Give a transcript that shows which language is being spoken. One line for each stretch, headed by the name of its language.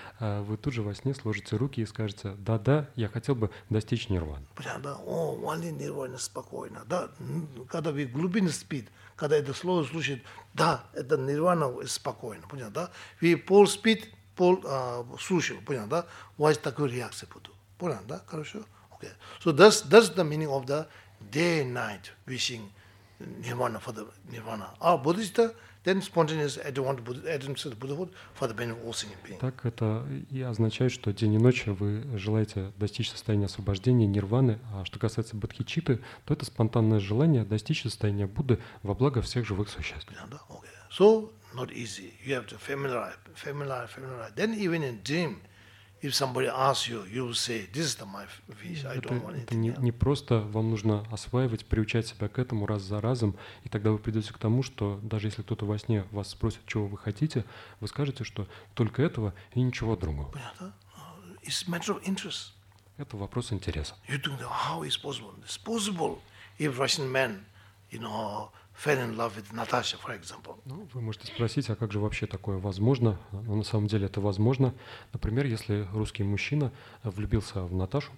Russian: Вы тут же во сне сложите руки и скажете: «Да-да, я хотел бы достичь нирваны». Понятно. О, only нирвана спокойно. Да, когда вы в глубине спите, когда это слово слышит, да, это нирвана спокойно. Понятно, да? Вы пол спит, пол слушает. Понятно, да? У вас такая реакция будет. Понятно, да? Хорошо? Okay.
English: So that's the meaning of the day and night wishing nirvana for the nirvana. А Buddhist, then spontaneous advent to the Buddhahood for the benefit of all sentient beings.
Russian: Так это и означает, что день и ночь вы желаете достичь состояния освобождения нирваны. А что касается бодхичитты, то это спонтанное желание достичь состояния Будды во благо всех живых существ.
English: Okay. So not easy. You have to familiarize. Then even in dream. If somebody asks you, you will say, "This is my wish. I don't want it."
Russian: Это не просто вам нужно осваивать, приучать себя к этому раз за разом, и тогда вы придете к тому, что даже если кто-то во сне вас спросит, чего вы хотите, вы скажете, что только этого и ничего другого. Понятно?
English: It's a matter of interest.
Russian: Это вопрос интереса.
English: You think that how is possible? It's possible if Russian man, you know, fell in love with Natasha, for example.
Russian: Ну, вы можете спросить, а как же вообще такое возможно? Но на самом деле это возможно. Например, если русский мужчина влюбился в Наташу.